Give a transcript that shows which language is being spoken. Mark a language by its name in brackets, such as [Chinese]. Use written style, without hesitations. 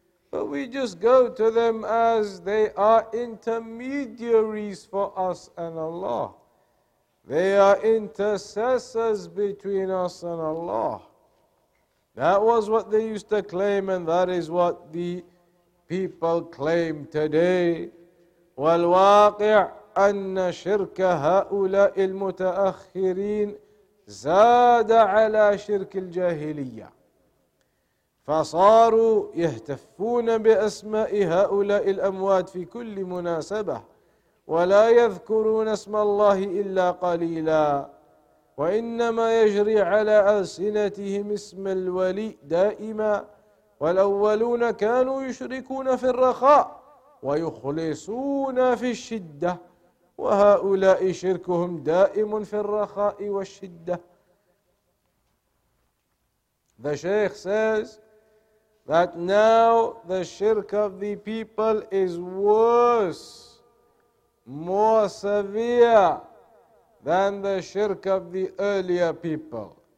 [English] But we just go to them as they are intermediaries for us and Allah. They are intercessors between us and Allah. That was what they used to claim, and that is what the people claim today. [Arabic] والواقع أن شرك هؤلاء المتأخرين زاد على شرك الجاهلية. فصاروا يهتفون بأسماء هؤلاء الأموات في كل مناسبة ولا يذكرون اسم الله إلا قليلا وإنما يجري على ألسنتهم اسم الولي دائما والأولون كانوا يشركون في الرخاء ويخلصون في الشدة وهؤلاء شركهم دائم في الرخاء والشدة. [English] The Sheikh says that now the shirk of the people is worse, more severe than the shirk of the earlier people.